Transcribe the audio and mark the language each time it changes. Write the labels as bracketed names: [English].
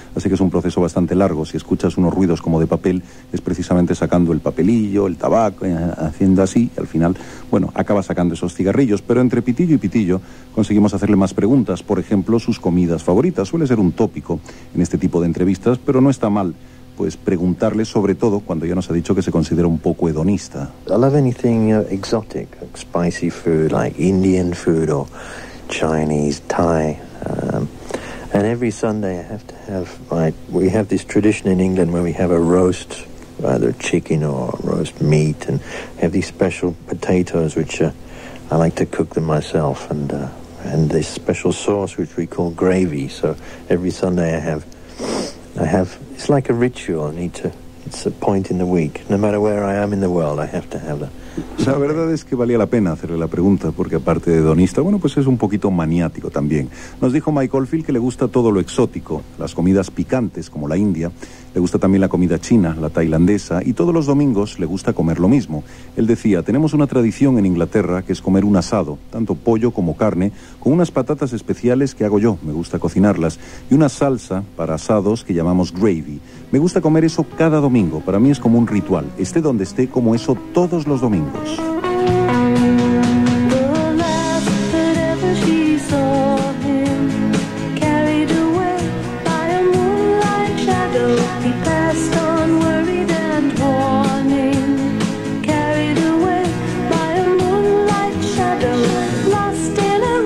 [Spanish] Así que es un proceso bastante largo. Si escuchas unos ruidos como de papel, es precisamente sacando el papelillo, el tabaco, haciendo así, y al final, bueno, acaba sacando esos cigarrillos. Pero entre pitillo y pitillo conseguimos hacerle más preguntas. Por ejemplo, sus comidas favoritas. Suele ser un tópico en este tipo de entrevistas, pero no está mal, pues, preguntarle, sobre todo cuando ya nos ha dicho que se considera un poco hedonista. [English] I love anything exotic, spicy food like Indian food or Chinese, Thai. And every Sunday I have to have my... We have this tradition in England where we have a roast, either chicken or roast meat, and have these special potatoes which I like to cook them myself, and this special sauce which we call gravy. So every Sunday I have, it's like a ritual. I need to, it's a point in the week. No matter where I am in the world, I have to have that. [Spanish] La verdad es que valía la pena hacerle la pregunta, porque aparte de hedonista, bueno, pues es un poquito maniático también. Nos dijo Mike Oldfield que le gusta todo lo exótico, las comidas picantes como la india, le gusta también la comida china, la tailandesa, y todos los domingos le gusta comer lo mismo. Él decía, tenemos una tradición en Inglaterra que es comer un asado, tanto pollo como carne, con unas patatas especiales que hago yo, me gusta cocinarlas, y una salsa para asados que llamamos gravy. Me gusta comer eso cada domingo, para mí es como un ritual, esté donde esté, como eso todos los domingos. [English] The last that ever she saw him, carried away by a moonlight shadow, he passed on worried and warning, carried away by a moonlight shadow, lost in